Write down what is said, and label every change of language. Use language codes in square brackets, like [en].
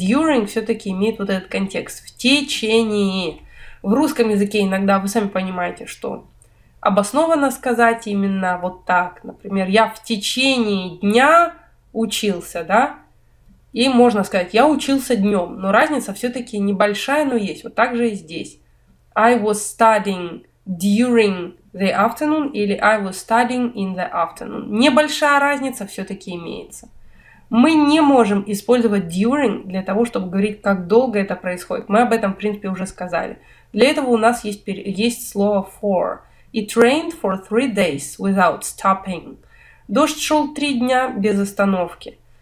[ru] During все-таки имеет вот этот контекст. В течение. В русском языке иногда вы сами понимаете, что обоснованно сказать именно вот так. Например, я в течение дня учился, да? И можно сказать, я учился днем. Но разница все-таки небольшая, но есть. Вот так же и здесь. [en] I was studying during the afternoon [ru] или [en] I was studying in the afternoon. [ru] Небольшая разница все-таки имеется. Мы не можем использовать during для того, чтобы говорить, как долго это происходит. Мы об этом, в принципе, уже сказали. Для этого у нас есть слово for. [en] It rained for 3 days without stopping. [ru] Дождь шел 3 дня без остановки.